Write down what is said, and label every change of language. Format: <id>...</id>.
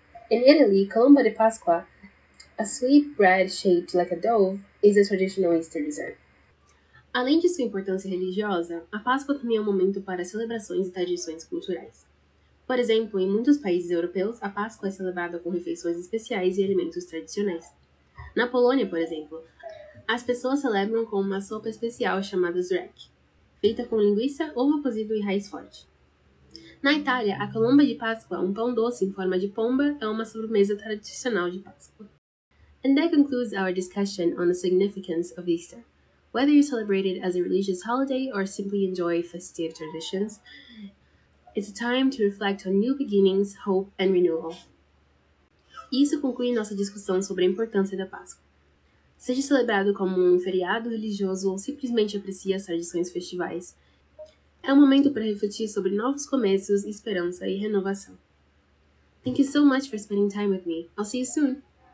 <en>In Italy, colomba di Pasqua, a sweet bread shaped like a dove, is a traditional Easter dessert.</en> <pt>Além de sua importância religiosa, a Páscoa também é um momento para celebrações e tradições culturais. Por exemplo, em muitos países europeus, a Páscoa é celebrada com refeições especiais e alimentos tradicionais. Na Polônia, por exemplo, as pessoas celebram com uma sopa especial chamada zrek, feita com linguiça, ovo cozido e raiz forte. Na Itália, a colomba di Pasqua, pão doce em forma de pomba, é uma sobremesa tradicional de Páscoa.</pt> <en>And that concludes our discussion on the significance of Easter. Whether you celebrate it as a religious holiday or simply enjoy festive traditions, it's a time to reflect on new beginnings, hope, and renewal.</en> <pt>Isso conclui nossa discussão sobre a importância da Páscoa. Seja celebrado como feriado religioso ou simplesmente aprecie as tradições festivais, é momento para refletir sobre novos começos, esperança e renovação.</pt> <en>Thank you so much for spending time with me. I'll see you soon!</en>